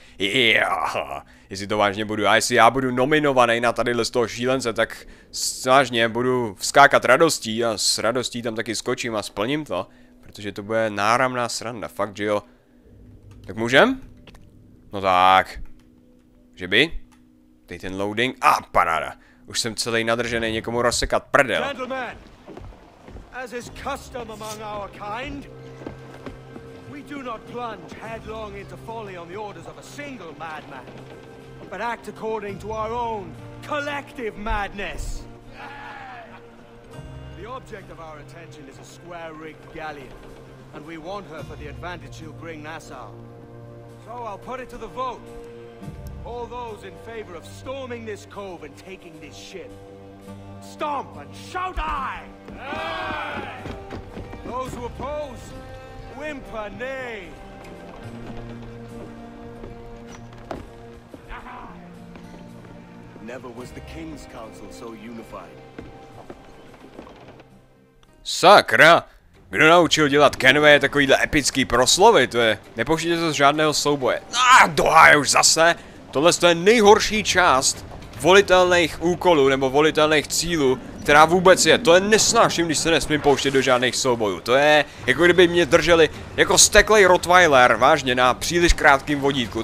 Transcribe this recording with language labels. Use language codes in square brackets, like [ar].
[cs] Jo, jestli to vážně budu já, jestli já budu nominovaný na tadyhle z toho šílence, tak vážně budu vskákat radostí a s radostí tam taky skočím a splním to. Protože to bude náramná sranda, fakt že jo. Tak můžem? No tak. Že by? Dej ten loading, a ah, paráda. Už jsem celý nadržený někomu rozsekat prdel. [en] Gentlemen, as is custom among our kind, we do not plunge headlong into folly on the orders of a single madman, but act according to our own collective madness. The object of our attention is a square rigged galleon, and we want her for the advantage she'll bring Nassau. So I'll put it to the vote. All those in favor of storming this cove and taking this ship, stomp and shout aye! Aye! Those who oppose, whimper nay! Never was the King's Council so unified. [cs] Sakra! Kdo naučil dělat Kenway takovýhle epický proslovy, to je nepouštějte se z žádného souboje. Ah, doháje už zase! Tohle je nejhorší část volitelných úkolů nebo volitelných cílů, která vůbec je. To je nesnáším, když se nesmím pouštět do žádných soubojů. To je, jako kdyby mě drželi jako steklej Rottweiler, vážně, na příliš krátkým vodítku.